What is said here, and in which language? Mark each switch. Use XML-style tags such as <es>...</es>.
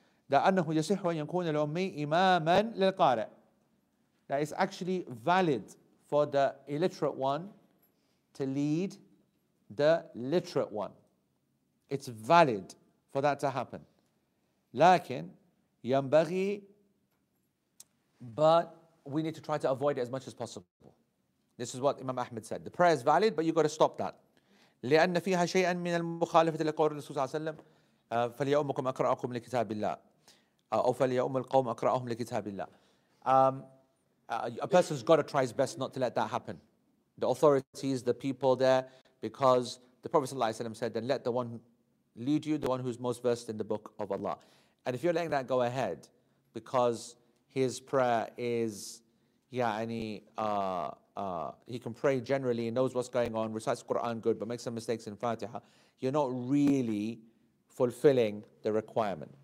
<ar>لأنه يصح أن يكون الأمي إماما للقارئ.</ar> <en>That is actually valid for the illiterate one to lead the literate one. It's valid for that to happen.</en> <ar>لكن ينبغي,</ar> <en>but we need to try to avoid it as much as possible. This is what Imam Ahmed said. The prayer is valid, but you've got to stop that.</en> <ar>لأن فيها شيئا من المخالفة لقول الرسول صلى الله عليه وسلم فليؤمكم أقرأكم لكتاب الله أو فليؤم القوم أقرأهم لكتاب الله.</ar> <en>A person's got to try his best not to let that happen. The authorities, the people there, because the Prophet ﷺ said, then let the one lead you, the one who's most versed in the book of Allah. And if you're letting that go ahead, because his prayer is, he can pray generally, he knows what's going on, recites Quran good, but makes some mistakes in Fatiha, you're not really fulfilling the requirement.</en>